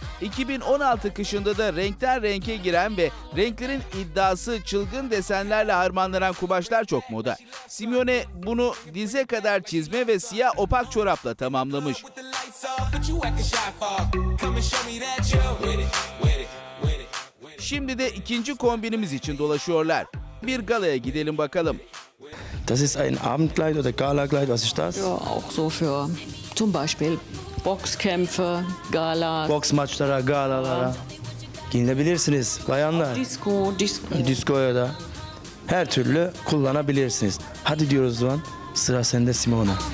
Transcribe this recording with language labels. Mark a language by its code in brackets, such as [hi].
[tr] 2016 kışında da renkten renke giren ve renklerin iddiası çılgın desenlerle harmanlanan kumaşlar çok moda. Simeone bunu dize kadar çizme ve siyah opak çorapla tamamlamış. Şimdi de ikinci kombinimiz için dolaşıyorlar. Bir galaya gidelim bakalım. [de] Das ist ein Abendkleid oder Galakleid, was ist das? Ja, auch so für zum Beispiel Boxkämpfe, Gala. [tr] Boxmaçlara, galalara. Giyinebilirsiniz bayanlar. Disco. Disco'ya da her türlü kullanabilirsiniz. Hadi diyoruz o zaman, sıra sende Simeone.